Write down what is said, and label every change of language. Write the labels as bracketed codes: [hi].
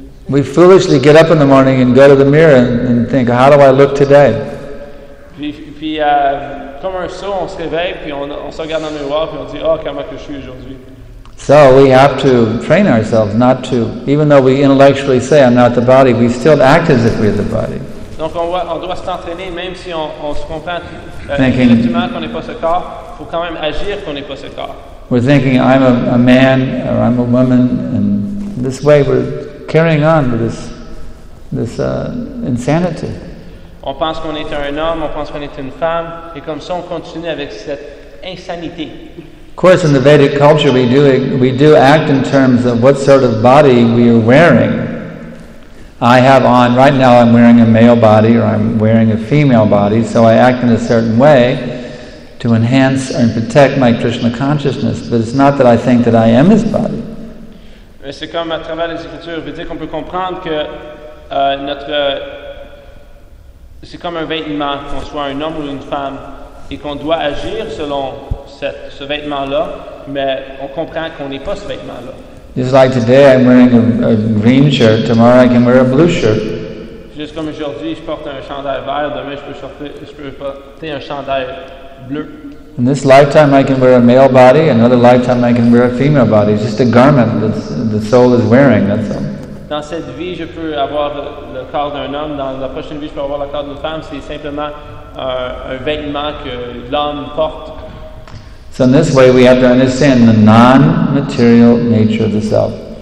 [en] We foolishly get up in the morning and go to the mirror and think, how do I look today? [fr] Puis comme un saut, on se réveille puis on se regarde dans le miroir puis on dit, oh, comment que je suis aujourd'hui. [en] So we have to train ourselves not to, even though we intellectually say I'm not the body, we still act as if we're the body. [fr] Donc on doit s'entraîner même si on se comprend intellectuellement qu'on n'est pas ce corps, faut quand même agir qu'on n'est pas ce corps. [en] We're thinking I'm a man or I'm a woman, and this way we're carrying on with this insanity. [fr] On pense qu'on est un homme, on pense qu'on est une femme, et comme ça on continue avec cette insanité. [en] Of course, in the Vedic culture, we do act in terms of what sort of body we are wearing. I have on, right now I'm wearing a male body or I'm wearing a female body, so I act in a certain way to enhance and protect my Krishna consciousness, but it's not that I think that I am his body. [fr] Mais c'est comme à travers les écritures, veut dire qu'on peut comprendre que notre... C'est comme un vêtement, qu'on soit un homme ou une femme, et qu'on doit agir selon... ce vêtement-là, mais on comprend qu'on n'est pas ce vêtement-là. [en] Just like today, I'm wearing a green shirt. Tomorrow, I can wear a blue shirt. [fr] Juste comme aujourd'hui, je porte un chandail vert. Demain, je peux porter un chandail bleu. [en] In this lifetime, I can wear a male body. Another lifetime, I can wear a female body. It's just a garment that the soul is wearing. That's all. [fr] Dans cette vie, je peux avoir le corps d'un homme. Dans la prochaine vie, je peux avoir le corps d'une femme. C'est simplement un vêtement que l'homme porte. [en] So in this way, we have to understand the non-material nature of the self.